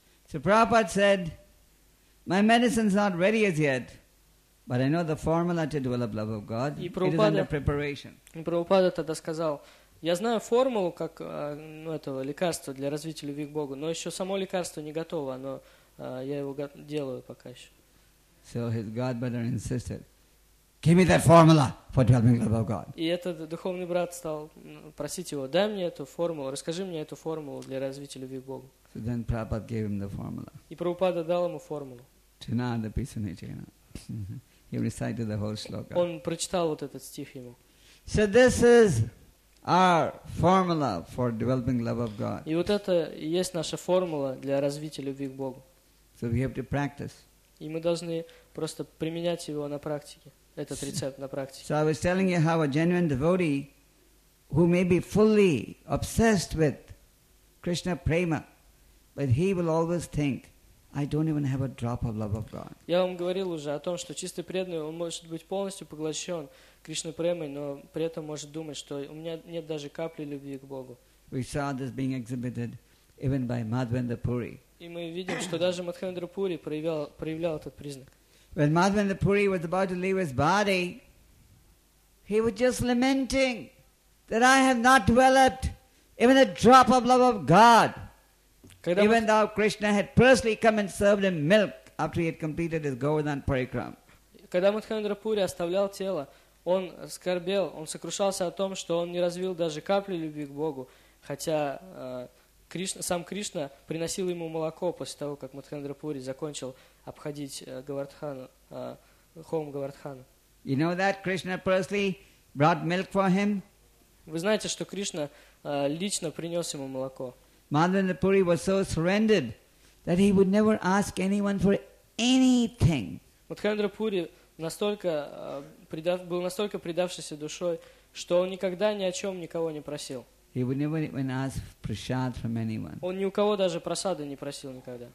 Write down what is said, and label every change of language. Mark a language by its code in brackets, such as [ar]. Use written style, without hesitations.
[en] So Prabhupada said, "My medicine's not ready as yet, but I know the formula to develop love of God. It is under preparation." [ru] И Прабхупада тогда сказал, "Я знаю формулу как этого лекарства для развития любви к Богу, но еще само лекарство не готово, но я его делаю пока еще." [en] So his godbrother insisted, "Give me that formula for developing love of God." [ru] И этот духовный брат стал просить его, "Дай мне эту формулу, расскажи мне эту формулу для развития любви к Богу." [en] So then Prabhupada gave him the formula. [ru] И Прабхупада дал ему формулу. [en] Chinanda Pisanichina. He recited the whole shloka. [ru] Он прочитал вот этот стих ему. [en] So this is our formula for developing love of God. [ru] И вот это и есть наша формула для развития любви к Богу. [en] So we have to practice. [ru] И мы должны просто применять его на практике, этот рецепт на практике. [en] So I was telling you how a genuine devotee who may be fully obsessed with Krishna prema, but he will always think, I don't even have a drop of love of God. [ru] Я вам говорил уже о том, что чистый преданный, он может быть полностью поглощен Кришной премой, но при этом может думать, что у меня нет даже капли любви к Богу. [en] We saw this being exhibited even by Madhvendra Puri. [ru] И мы видим, что даже Мадхвендра Пури проявлял этот признак. [en] When Madhvendra Puri was about to leave his body, he was just lamenting that I have not developed even a drop of love of God. Even though Krishna had personally come and served him milk after he had completed his Govardhan parikram. [ru] Когда Мадхвендра Пури оставлял тело, он скорбел, он сокрушался о том, что он не развил даже капли любви к Богу, хотя сам Кришна приносил ему молоко после того, как Мадхвендра Пури закончил обходить Говардхану, холм Говардхану. [en] You know that Krishna personally brought milk for him? [ru] Вы знаете, что Кришна лично принес ему молоко. [en] Madhvendra Puri was so surrendered that he would never ask anyone for anything. [ru] Мадхвендра Пури был настолько предавшийся душой, что он никогда ни о чем никого не просил. [en] He would never even ask prasad from anyone. [ru] Он ни у кого даже прасады не просил никогда.